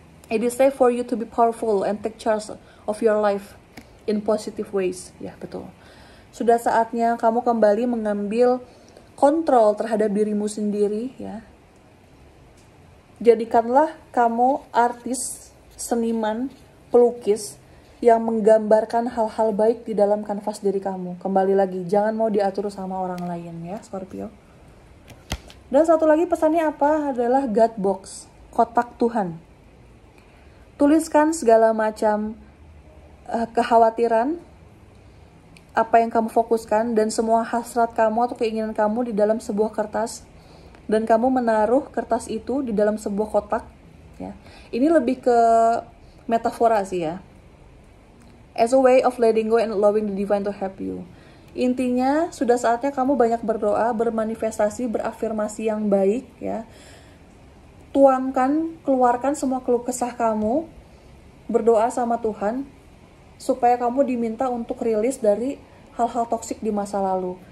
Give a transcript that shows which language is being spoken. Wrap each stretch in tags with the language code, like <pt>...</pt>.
<en>It is safe for you to be powerful and take charge of your life in positive ways.</en> <id>Ya, betul. Sudah saatnya kamu kembali mengambil kontrol terhadap dirimu sendiri ya. Jadikanlah kamu artis, seniman, pelukis yang menggambarkan hal-hal baik di dalam kanvas diri kamu. Kembali lagi, jangan mau diatur sama orang lain ya, Scorpio. Dan satu lagi pesannya apa? Adalah God Box, kotak Tuhan. Tuliskan segala macam kekhawatiran, apa yang kamu fokuskan, dan semua hasrat kamu atau keinginan kamu di dalam sebuah kertas. Dan kamu menaruh kertas itu di dalam sebuah kotak. Ya. Ini lebih ke metafora sih ya.</id> <en>As a way of letting go and allowing the divine to help you.</en> <id>Intinya sudah saatnya kamu banyak berdoa, bermanifestasi, berafirmasi yang baik ya. Tuangkan, keluarkan semua keluh kesah kamu. Berdoa sama Tuhan supaya kamu diminta untuk rilis dari hal-hal toksik di masa lalu.</id>